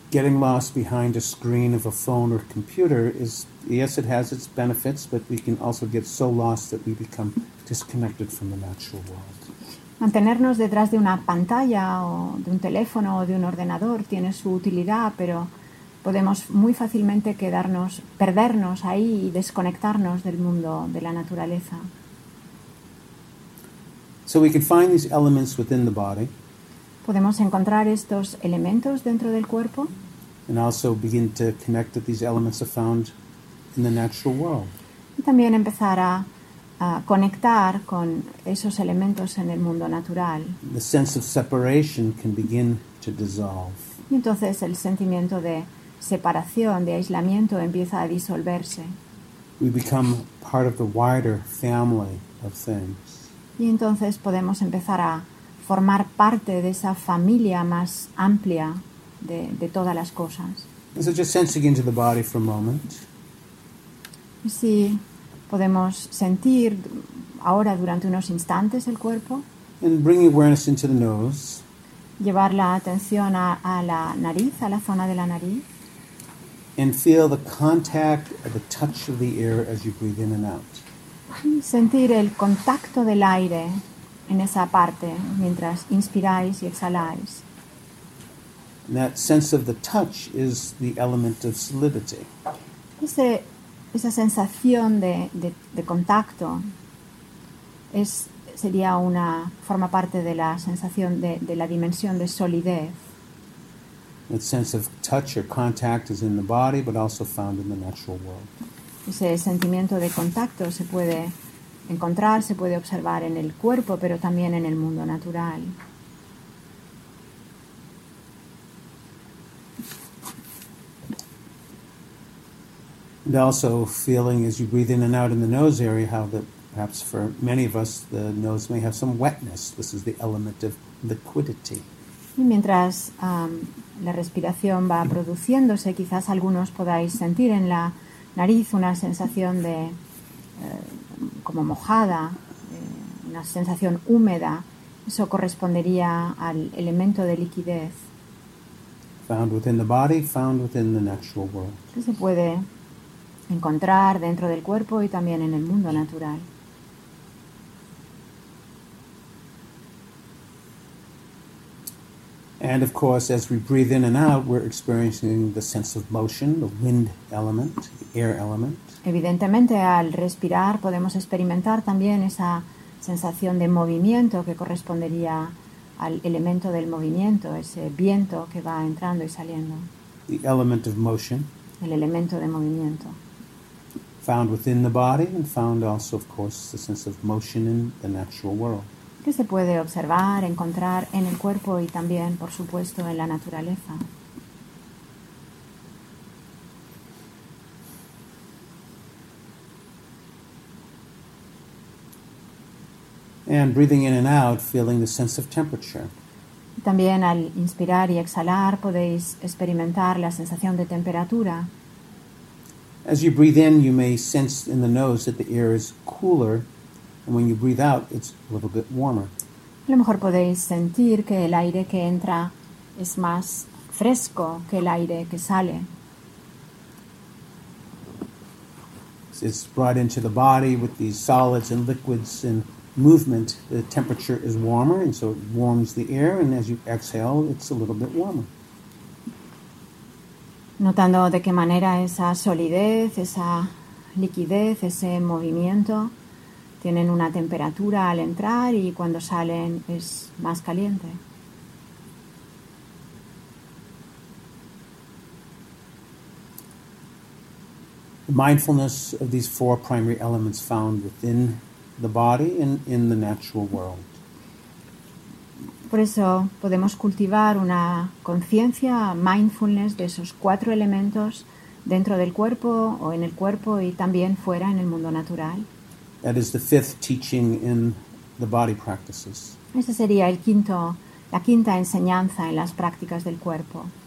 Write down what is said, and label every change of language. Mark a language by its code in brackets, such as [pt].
[en] Getting lost behind a screen of a phone or computer is, yes, it has its benefits, but we can also get so lost that we become disconnected from the natural world. [es] Mantenernos detrás de una pantalla o de un teléfono o de un ordenador tiene su utilidad, pero podemos muy fácilmente quedarnos, perdernos ahí y desconectarnos del mundo de la naturaleza. [en] So we can find these elements within the body. [es] Podemos encontrar estos elementos dentro del cuerpo. [en] And also begin to connect that these elements are found in the natural world. [es] Y también empezar a conectar con esos elementos en el mundo natural. [en] The sense of separation can begin to dissolve. [es] Y entonces el sentimiento de separación, de aislamiento, empieza a disolverse. [en] We become part of the wider family of things. [es] Y entonces podemos empezar a formar parte de esa familia más amplia de todas las cosas. [en] So just sensing into the body for a moment. [es] Si podemos sentir ahora durante unos instantes el cuerpo. [en] And bring awareness into the nose. [es] Llevar la atención a la nariz, a la zona de la nariz. [en] And feel the contact or the touch of the air as you breathe in and out. [es] Sentir el contacto del aire en esa parte mientras inspiráis y exhaláis. [en] And that sense of the touch is the element of solidity. [es] Esa sensación de contacto forma parte de la sensación de la dimensión de solidez. [en] That sense of touch or contact is in the body, but also found in the natural world. [es] Ese sentimiento de contacto se puede encontrar, se puede observar en el cuerpo, pero también en el mundo natural. [en] And also feeling as you breathe in and out in the nose area, how that perhaps for many of us, the nose may have some wetness. This is the element of liquidity. [es] Y mientras la respiración va produciéndose, quizás algunos podáis sentir en la nariz una sensación de como mojada, una sensación húmeda. Eso correspondería al elemento de liquidez. [en] Found within the body, found within the natural world. [es] Que se puede encontrar dentro del cuerpo y también en el mundo natural. [en] And of course, as we breathe in and out, we're experiencing the sense of motion, the wind element, the air element. [es] Evidentemente, al respirar podemos experimentar también esa sensación de movimiento que correspondería al elemento del movimiento, ese viento que va entrando y saliendo. [en] The element of motion. [es] El elemento de movimiento. [en] Found within the body and found also, of course, the sense of motion in the natural world. [es] Que se puede observar, encontrar en el cuerpo y también, por supuesto, en la naturaleza. [en] And breathing in and out, feeling the sense of temperature. [es] También al inspirar y exhalar podéis experimentar la sensación de temperatura. [en] As you breathe in, you may sense in the nose that the air is cooler. And when you breathe out, it's a little bit warmer. [es] A lo mejor podéis sentir que el aire que entra es más fresco que el aire que sale. [en] It's brought into the body with these solids and liquids and movement. The temperature is warmer, and so it warms the air, and as you exhale, it's a little bit warmer. [es] Notando de qué manera esa solidez, esa liquidez, ese movimiento tienen una temperatura al entrar y cuando salen es más caliente. [en] The mindfulness of these four primary elements found within the body and in the natural world. [es] Por eso podemos cultivar una conciencia, mindfulness, de esos cuatro elementos dentro del cuerpo o en el cuerpo y también fuera en el mundo natural. [en] That is the fifth teaching in the body practices. [es] Ese sería el quinto, la quinta enseñanza en las prácticas del cuerpo.